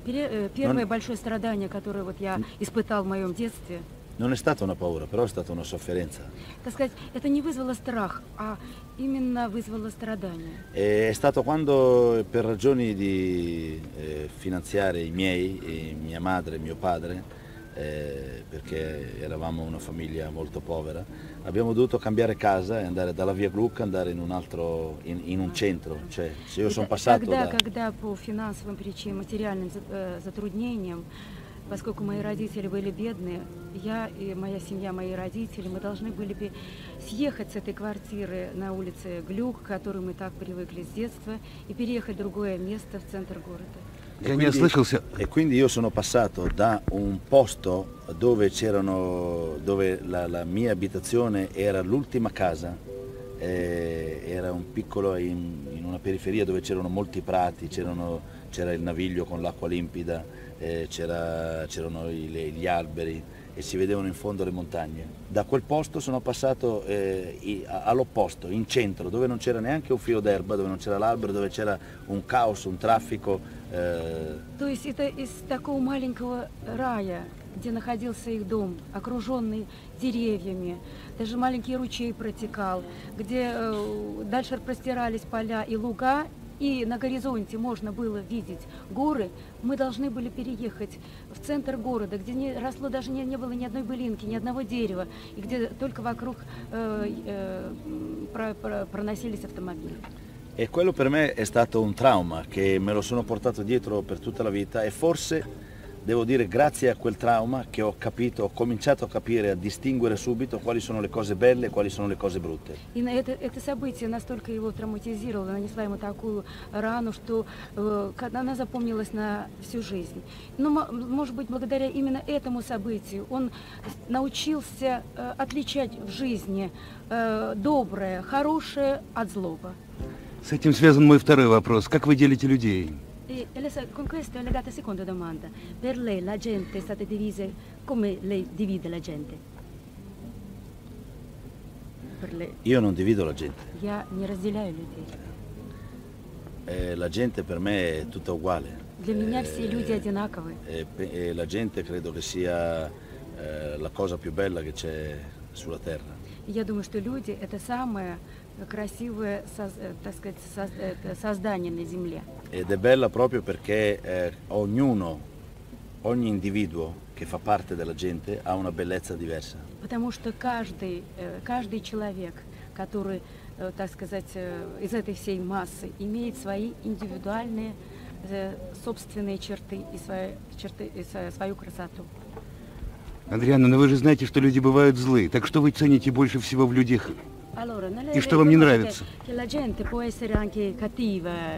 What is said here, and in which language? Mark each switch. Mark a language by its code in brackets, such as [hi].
[ru] Первое большое страдание, которое вот я испытал в моем детстве. [it] Non è stata una paura, però è stata una sofferenza. [ru] Так сказать, это не вызвало страх, а именно вызвало страдание. [it] È stato quando per ragioni di finanziare i miei, mia madre, mio padre. Perché eravamo una famiglia molto povera, abbiamo dovuto cambiare casa e andare dalla via Gluck, andare in un altro, in un centro, cioè se io sono passato [ru] когда, [it] da... [ru] Когда по финансовым причинам, материальным затруднениям, поскольку мои родители были бедны, я и моя семья, мои родители, мы должны были бы съехать с этой квартиры на улице Глюк, к которой мы так привыкли с детства, и переехать в другое место, в центр города. [it] E quindi io sono passato da un posto dove c'erano, dove la mia abitazione era l'ultima casa, era un piccolo in una periferia dove c'erano molti prati, c'era il naviglio con l'acqua limpida, c'erano gli alberi e si vedevano in fondo le montagne. Da quel posto sono passato all'opposto, in centro, dove non c'era neanche un filo d'erba, dove non c'era l'albero, dove c'era un caos, un traffico. [ru] То есть это из такого маленького рая, где находился их дом, окруженный деревьями, даже маленький ручей протекал, где дальше простирались поля и луга, и на горизонте можно было видеть горы, мы должны были переехать в центр города, где не росло даже не было ни одной былинки, ни одного дерева, и где только вокруг проносились автомобили. E quello per me è stato un trauma che me lo sono portato dietro per tutta la vita e forse devo dire grazie a quel trauma che ho capito, ho cominciato a capire, a distinguere subito quali sono le cose belle e quali sono le cose brutte. И это событие настолько его травматизировало, нанесло ему такую рану, что она запомнилась на всю жизнь. Но, может быть, благодаря именно этому событию он научился отличать в жизни доброе, хорошее от злого. С этим связан мой второй вопрос. Как вы делите людей? [it] E adesso con questo è legata la seconda domanda. Per lei la gente è stata divisa, come lei divide la gente? Per lei. Io non divido la gente. [ru] Я не разделяю людей. [it] La gente per me è tutta uguale. [ru] Для меня все люди одинаковы. [it] La gente credo che sia la cosa più bella che c'è sulla terra. [ru] Я думаю, что люди это самое красивое, так сказать, создание на земле. [it] Ed è bella proprio perché ognuno, ogni individuo che fa parte della gente ha una bellezza diversa. [ru] Потому что каждый человек, который, так сказать, из этой всей массы, имеет свои индивидуальные собственные черты и свою красоту. Адриана, но вы же знаете, что люди бывают злые. Так что вы цените больше всего в людях? [it] Allora, [ru] и что вам не нравится? [it] Che la gente può essere anche cattiva.